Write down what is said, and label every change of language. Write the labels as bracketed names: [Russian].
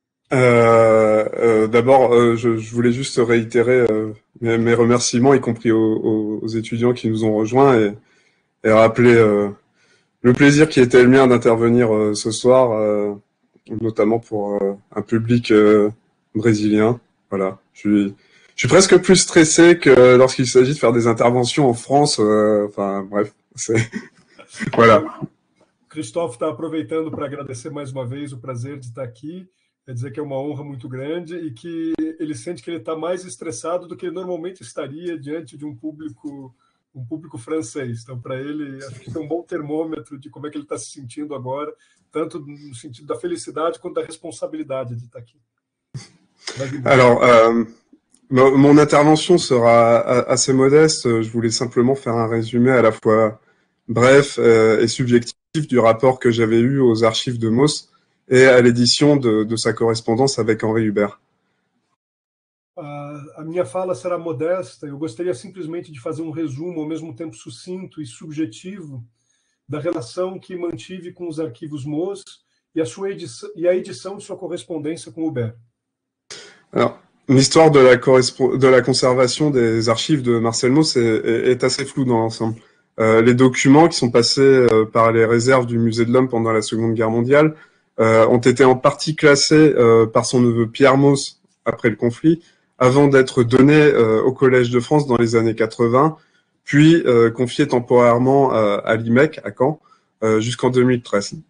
[French] D'abord, je voulais juste réitérer mes remerciements, y compris aux étudiants qui nous ont rejoints, et rappeler le plaisir qui était le mien d'intervenir ce soir, notamment pour un public brésilien. Voilà, je suis presque plus stressé que lorsqu'il s'agit de faire des interventions en France. Enfin, bref, voilà. [Portuguese] Christophe está aproveitando para agradecer mais uma vez o prazer de estar aqui. Quer dizer que é uma honra muito grande e que ele sente que ele está mais estressado do que normalmente estaria diante de um público francês. Então, para ele, acho que é um bom termômetro de como é que ele está se sentindo agora, tanto no sentido da felicidade quanto da responsabilidade de estar aqui. Vai vir. [French] Alors, mon intervention sera assez modeste. Je voulais simplement faire un résumé à la fois bref et subjectif du rapport que j'avais eu aux archives de Mauss et à l'édition de sa correspondance avec Henri Huber. [Portuguese] A minha fala será modesta. Eu gostaria simplesmente de fazer um resumo, ao mesmo tempo sucinto e subjetivo, da relação que mantive com os arquivos Mauss e a edição de sua correspondência com Huber. [French] Alors, l'histoire de la conservation des archives de Marcel Mauss est assez floue dans l'ensemble. Les documents qui sont passés par les réserves du Musée de l'Homme pendant la Seconde Guerre mondiale ont été en partie classés par son neveu Pierre Mauss après le conflit, avant d'être donnés au Collège de France dans les années 80, puis confiés temporairement à l'IMEC, à Caen, jusqu'en 2013.